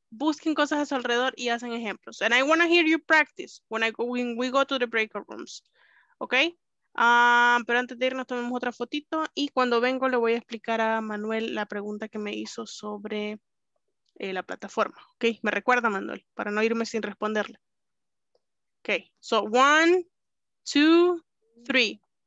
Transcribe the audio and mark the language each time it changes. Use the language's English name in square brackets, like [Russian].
[Spanish] Busquen cosas a su alrededor y hacen ejemplos. [English] And I wanna hear you practice when we go to the breakout rooms. [Spanish] Okay? Pero antes de irnos tomemos otra fotito. Y cuando vengo le voy a explicar a Manuel la pregunta que me hizo sobre la plataforma. Okay, me recuerda Manuel para no irme sin responderle. Okay, [English] so one... 2, 3.